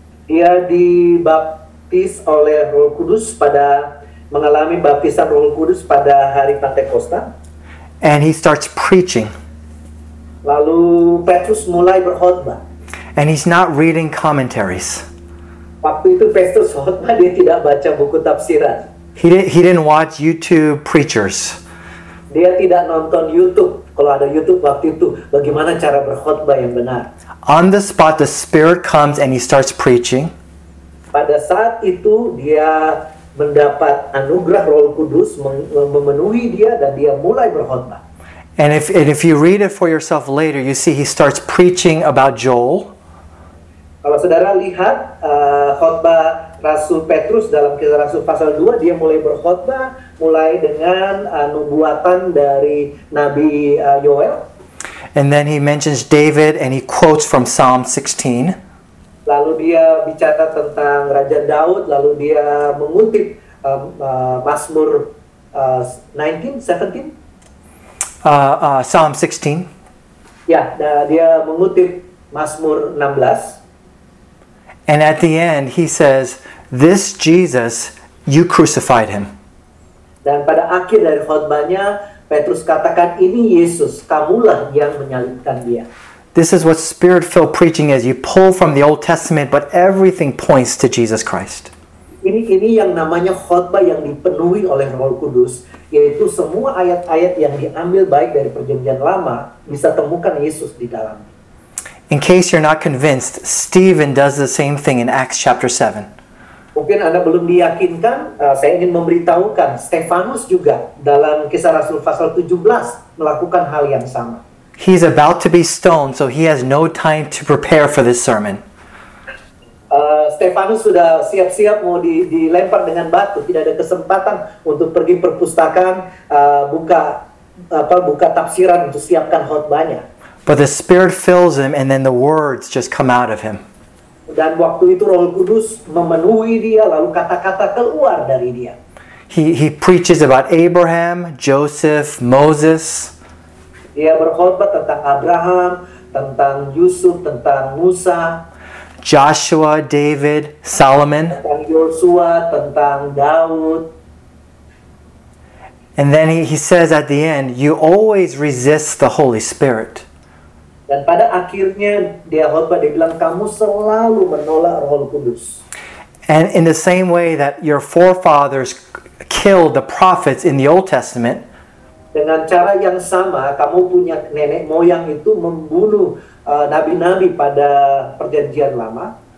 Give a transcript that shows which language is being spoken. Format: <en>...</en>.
<id>Dia dibaptis oleh Roh Kudus pada mengalami baptisan Roh Kudus pada hari Pentakosta.</id> <en>And he starts preaching.</en> <id>Lalu Petrus mulai berkhotbah.</id> <en>And he's not reading commentaries.</en> <id>Waktu itu Petrus khotbah, dia tidak baca buku tafsiran.</id> <en>He didn't watch YouTube preachers.</en> <id>Dia tidak nonton YouTube. Kalau ada YouTube waktu itu, bagaimana cara berkhotbah yang benar?</id> <en>On the spot, the Spirit comes and he starts preaching.</en> <id>Pada saat itu dia mendapat anugerah Roh Kudus memenuhi dia dan dia mulai berkhotbah.</id> <en>And if you read it for yourself later, you see he starts preaching about Joel.</en> <id>Kalau saudara lihat khotbah Rasul Petrus dalam Kisah Rasul pasal 2, dia mulai berkhotbah mulai dengan nubuatan dari Nabi Yoel.</id> <en>And then he mentions David and he quotes from Psalm 16.</en> <id>Lalu dia bicara tentang Raja Daud, lalu dia mengutip Mazmur 17.</id> <en>Psalm 16.</en> <id>Ya, dia mengutip Mazmur 16.</id> <en>And at the end he says, "This Jesus, you crucified him."</en> <id>Dan pada akhir dari khotbahnya, Petrus katakan, ini Yesus, kamulah yang menyalibkan dia.</id> <en>This is what spirit-filled preaching is. You pull from the Old Testament, but everything points to Jesus Christ.</en> <id>Ini yang namanya khotbah yang dipenuhi oleh Roh Kudus, yaitu semua ayat-ayat yang diambil baik dari Perjanjian Lama bisa temukan Yesus di dalamnya.</id> <en>In case you're not convinced, Stephen does the same thing in Acts chapter 7.</en> <id>Mungkin Anda belum diyakinkan, saya ingin memberitahukan, Stefanus juga dalam Kisah Rasul pasal 17 melakukan hal yang sama.</id> <en>He's about to be stoned, so he has no time to prepare for this sermon.</en> <id>Stefanus sudah siap-siap mau dilempar dengan batu, tidak ada kesempatan untuk pergi perpustakaan, buka tafsiran untuk siapkan khotbahnya.</id> <en>But the Spirit fills him, and then the words just come out of him.</en> <id>Dan waktu itu Roh Kudus memenuhi dia, lalu kata-kata keluar dari dia.</id> <en>He preaches about Abraham, Joseph, Moses.</en> <id>Dia berkhotbah tentang Abraham, tentang Yusuf, tentang Musa,</id> <en>Joshua, David, Solomon,</en> <id>tentang Yosua, tentang Daud.</id> <en>And then he says at the end, you always resist the Holy Spirit.</en> <id>Dan pada akhirnya dia khotbah dibilang kamu selalu menolak Roh Kudus.</id> <en>And in the same way that your forefathers killed the prophets in the Old Testament,</en> <id>dengan cara yang sama, kamu punya nenek moyang itu membunuh nabi-nabi pada Perjanjian Lama.</id>